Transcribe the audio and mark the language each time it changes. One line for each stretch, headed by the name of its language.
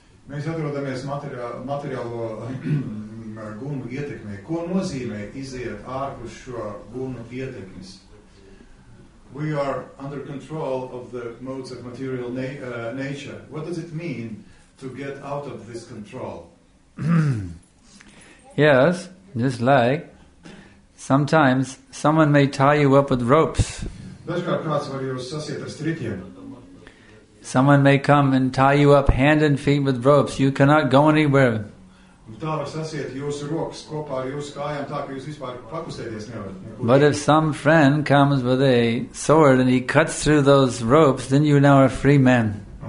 Latvian: Mēs atrodamies materiālo gunu ietekmē. Ko nozīmē iziet ārpus šo gunu ietekmes?
English: We are under control of the modes of material nature. What does it mean to get out of this control? Yes, just like sometimes someone may tie you up with ropes.
Latvian: Dažkārt kāds var jūs sasiet ar stritiem.
English: Someone may come and tie you up hand and feet with ropes. You cannot go anywhere. But if some friend comes with a sword and he cuts through those ropes, then you now are free man.